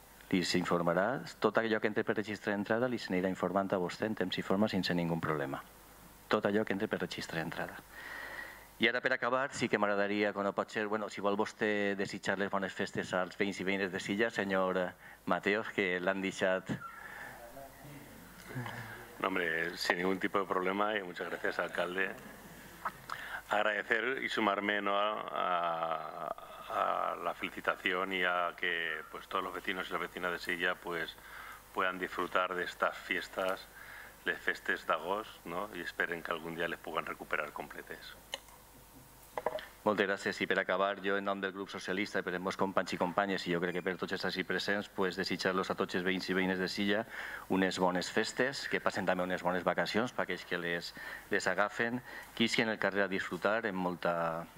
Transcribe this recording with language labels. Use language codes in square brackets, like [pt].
[ca] Li s'informarà tot allò que entre per registre d'entrada li s'anirà informant a vostè en temps i forma sense ningun problema. Tot allò que entre per registre d'entrada. I ara per acabar, sí que m'agradaria, quan no pot ser, bueno, si vol vostè desitjar les bones festes als veïns i veïnes de Silla, senyor Mateos, que l'han deixat. [es] No, hombre, sin ningún tipo de problema y muchas gracias, alcalde. Agradecer y sumarme, ¿no?, a la felicitación y a que pues, todos los vecinos y las vecinas de Silla pues, puedan disfrutar de estas fiestas [ca] les festes d'agost, [es] no? [ca] I esperen que algun dia les puguen recuperar completes. Moltes gràcies. I per acabar, jo en nom del grup socialista i per els meus companys i companyes, i jo crec que per tots els així presents, pues, desitjar-los a tots els veïns i veïnes de Silla unes bones festes, que passen també unes bones vacacions per aquells que les agafen, que isquen al carrer a disfrutar, en molta...